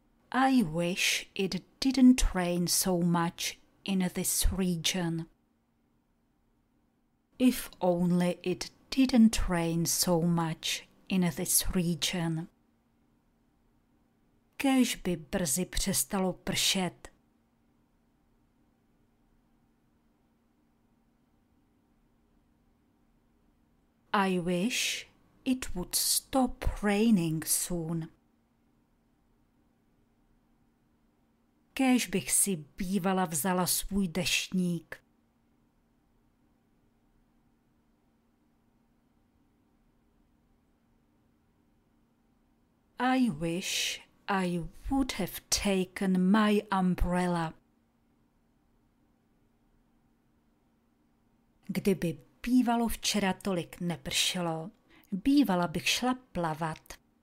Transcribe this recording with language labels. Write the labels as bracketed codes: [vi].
[en] I wish it didn't rain so much in this region. If only it didn't rain so much in this region. [cs] Kéž by brzy přestalo pršet. [en] I wish it would stop raining soon. [cs] Kéž bych si bývala vzala svůj deštník. [en] I wish I would have taken my umbrella. [cs] Kdyby bývalo včera tolik nepršelo, bývala bych šla plavat.